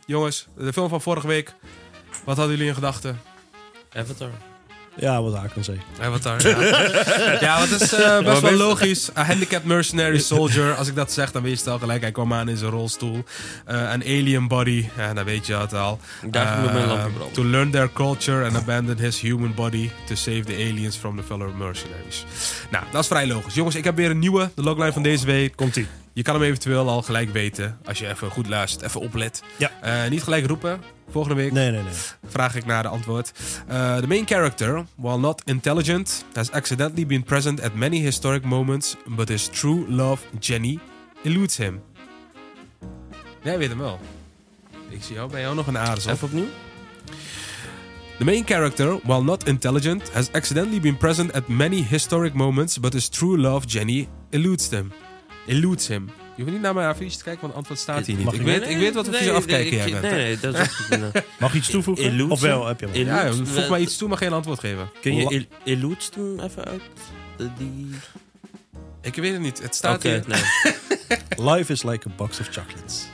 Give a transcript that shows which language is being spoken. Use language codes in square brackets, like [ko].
[nl] Jongens, de film van vorige week. Wat hadden jullie in gedachten? Avatar. Ja, wat haak kan zeggen. Avatar, ja. Ja, wat is best wel logisch. [en] A handicapped mercenary soldier. [nl] Als ik dat zeg, dan weet je het al gelijk. Hij kwam aan in zijn rolstoel. [en] An alien body. [nl] Ja, dan weet je het al. [en] To learn their culture and abandon his human body to save the aliens from the fellow mercenaries. [nl] Nou, dat is vrij logisch. Jongens, ik heb weer een nieuwe. De logline van deze week. Komt-ie. Je kan hem eventueel al gelijk weten. Als je even goed luistert, even oplet. Ja. Niet gelijk roepen. Volgende week vraag ik naar de antwoord. [en] The main character, while not intelligent, has accidentally been present at many historic moments, but his true love, Jenny, eludes him. [nl] Jij weet hem wel. Ik zie jou bij jou nog een aarzel. Even opnieuw. [en] The main character, while not intelligent, has accidentally been present at many historic moments, but his true love, Jenny, eludes him. Eludes him. [nl] Je hoeft niet naar mijn affiche te kijken, want het antwoord staat hier niet. Ik weet wat we voor je afkijken. Mag je iets toevoegen? Of wel, heb je hem? Ja, voeg maar iets toe, maar geen antwoord geven. Kun je eludes hem even uit? Ik weet het niet. Het staat hier. [en] Nee. Life is like a box of chocolates.